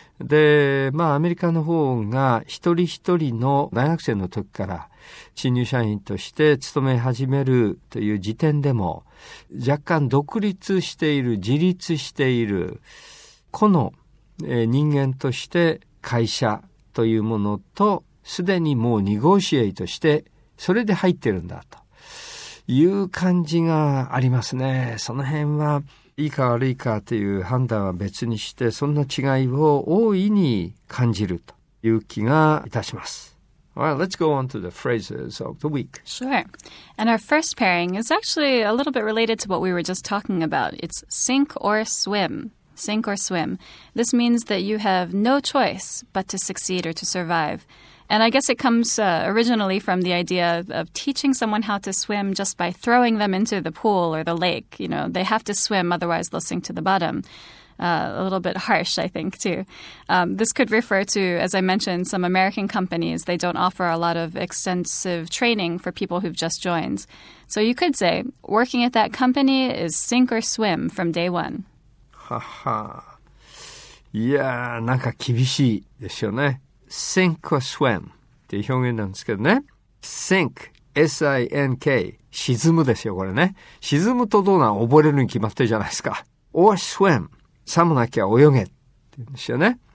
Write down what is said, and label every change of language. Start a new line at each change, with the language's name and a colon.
Japanese: で、まあ、アメリカの方が一人一人の大学生の時から新入社員として勤め始めるという時点でも、若干独立している、自立している、この人間として会社というものと、すでにもうニゴシエイとして、それで入ってるんだと。いう感じがありますね。その辺はいいか悪いかという判断は別にして、そんな違いを大いに感じるという気がいたします。
English: Well, let's go on to the phrases of the week. Sure. And our first pairing is actually a little bit related to what we were just talking about. It's sink or swim. Sink or swim. This means that you have no choice but to succeed or to survive. And I guess it comes originally from the idea of teaching someone how to swim just by throwing them into the pool or the lake. You know, they have to swim, otherwise they'll sink to the bottom. A little bit harsh, I think, too. This could refer to, as I mentioned, some American companies. They don't offer a lot of extensive training for people who've just joined. So you could say, working at that company is sink or swim from day one. Haha.
Japanese: Yeah, なんか厳しいですよね。Sink or swim っていう表現なんですけどね。 Sink, S-I-N-K, 沈むですよ、これね。沈むとどうなん？溺れるに決まってるじゃないですか。Or swim, さもなきゃ泳げって言うんですよね。